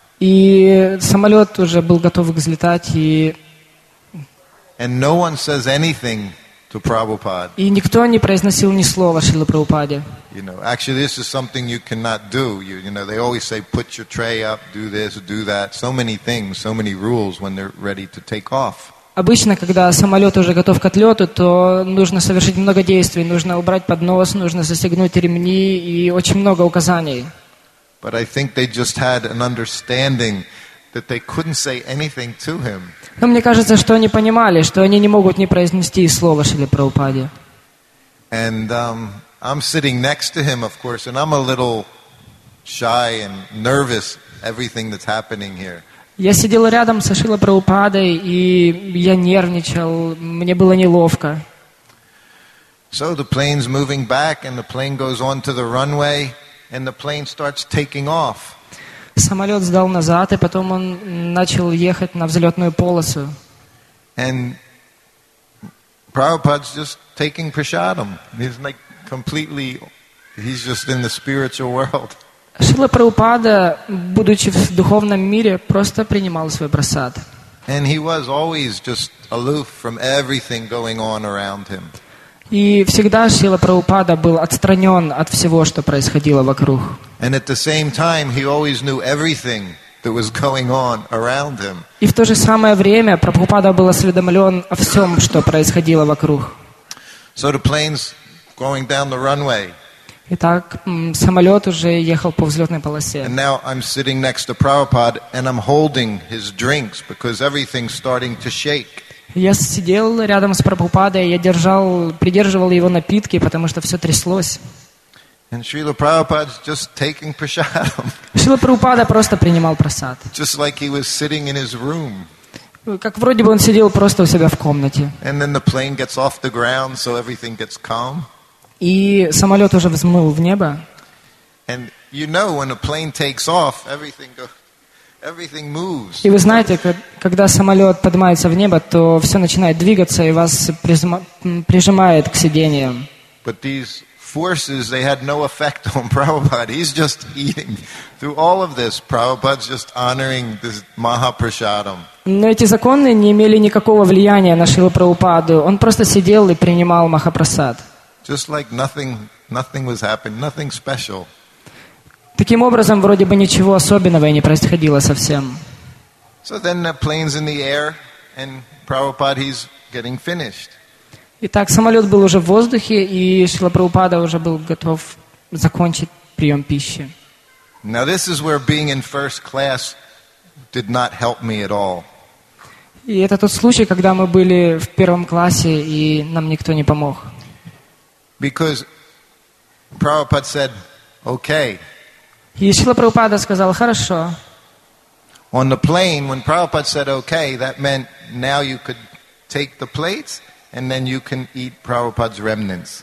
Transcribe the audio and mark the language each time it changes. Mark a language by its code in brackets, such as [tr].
[ru] И самолет уже был готов взлетать, и [en] And no one says anything to Prabhupada. [ru] И никто не произносил ни слова Шриле Прабхупаде. [en] You know, actually, this is something you cannot do. You know, they always say, put your tray up, do this, do that. So many things, so many rules when they're ready to take off. [ru] Обычно, когда самолет уже готов к отлету, то нужно совершить много действий. Нужно убрать поднос, нужно застегнуть ремни и очень много указаний. [en] But I think they just had an understanding that they couldn't say anything to him. [ru] Но мне кажется, что они понимали, что они не могут не произнести слова Шриле Прабхупаде. [en] And I'm sitting next to him, of course, and I'm a little shy and nervous everything that's happening here. [ru] Я сидел рядом со Шрилой Прабхупадой, и я нервничал, мне было неловко. [en] So the plane's moving back and the plane goes onto the runway and the plane starts taking off. [ru] Самолет сдал назад, и потом он начал ехать на взлетную полосу. [en] And Prabhupada's just taking prasadam. He's like completely, he's just in the spiritual world. [ru] Шрила Прабхупада, будучи в духовном мире, просто принимал свой прасад. [en] And he was always just aloof from everything going on around him. [ru] И всегда Шрила Прабхупада был отстранен от всего, что происходило вокруг. [en] And at the same time, he always knew everything that was going on around him. [ru] И в то же самое время Прабхупада был осведомлен о всем, что происходило вокруг. [en] So the planes going down the runway. [ru] Итак, самолет уже ехал по взлетной полосе. [en] And now I'm sitting next to Prabhupada and I'm holding his drinks because everything's starting to shake. [ru] Я сидел рядом с Прабхупадой, я держал, придерживал его напитки, потому что все тряслось. [en] Шрила Прабхупада just taking prasadam. [ru] Шрила Прабхупада просто принимал прасад. [en] Just like he was sitting in his room. [ru] Как вроде бы он сидел просто у себя в комнате. [en] And then the plane gets off the ground, so everything gets calm. [ru] И самолет уже взмыл в небо. [en] And you know when a plane takes off, everything goes. Everything moves. [ru] И вы знаете, когда самолет поднимается в небо, то все начинает двигаться и вас прижимает к сиденьям. [en] But these forces, they had no effect on Prabhupada. He's just eating. Through all of this, Prabhupada's just honoring this Mahaprasadam. [ru] Но эти законы не имели никакого влияния на Шрилу Прабхупаду. Он просто сидел и принимал Махапрасад. [en] Just like nothing was happening, nothing special. [ru] Таким образом, вроде бы ничего особенного и не происходило совсем. [en] So then the plane's in the air, and Prabhupada, he's getting finished. [ru] Итак, самолет был уже в воздухе, и Шрила Прабхупада уже был готов закончить прием пищи. [en] Now this is where being in first class did not help me at all. [ru] И это тот случай, когда мы были в первом классе, и нам никто не помог. [en] Because Prabhupada said, okay. [ru] И Шрила Прабхупада сказал: «Хорошо». [en] On the plane, when Prabhupada said okay, that meant now you could take the plates and then you can eat Prabhupada's remnants.